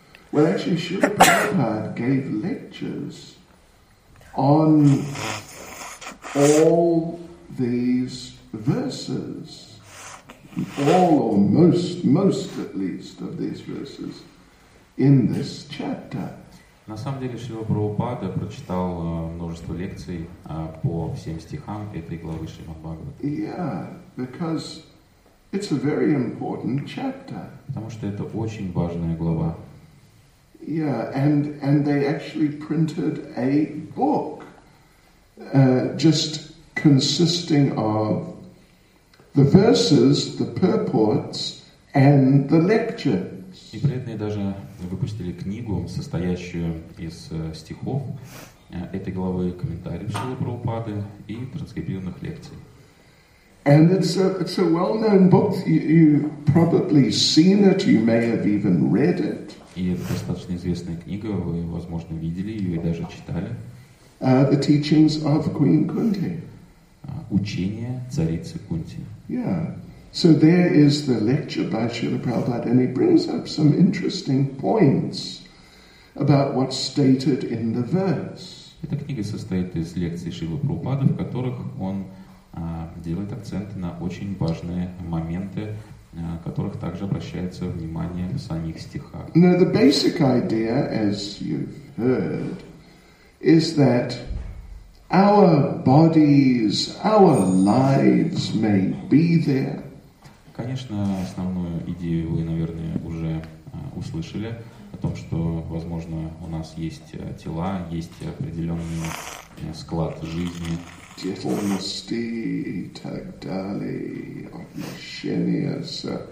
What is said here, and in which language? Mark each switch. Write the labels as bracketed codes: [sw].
[en] Well, actually, Srila Prabhupada gave lectures on all these verses, all or most at least of these verses in this chapter. [ru] На самом деле Шрила Прабхупада прочитал множество лекций по всем стихам этой главы Шримад-Бхагавата. [en] Yeah, because it's a very important chapter. [ru] Потому что это очень важная глава. [en] Yeah, and they actually printed a book just consisting of the verses, the purports, and the lectures. [ru] И преданные даже выпустили книгу, состоящую из стихов этой главы, комментариев Шрилы Прабхупады и транскрибированных лекций. [en] And it's a well-known book. You've probably seen it. You may have even read it. [ru] И это достаточно известная книга. Вы, возможно, видели ее и даже читали. [en] The teachings of Queen Kunti. [ru] Учение царицы Кунти. [en] Yeah. So there is the lecture by Srila Prabhupada, and he brings up some interesting points about what's stated in the verse. [ru] Эта книга состоит из лекций Шрилы Прабхупады, в которых он делает акцент на очень важные моменты, которых также обращается внимание в самих стихах. [en] Now the basic idea, as you've heard, is that our bodies, our lives may be there. [ru] Конечно, основную идею вы, наверное, уже услышали о том, что, возможно, у нас есть тела, есть определенный склад жизни. Деформности и так далее, отношения с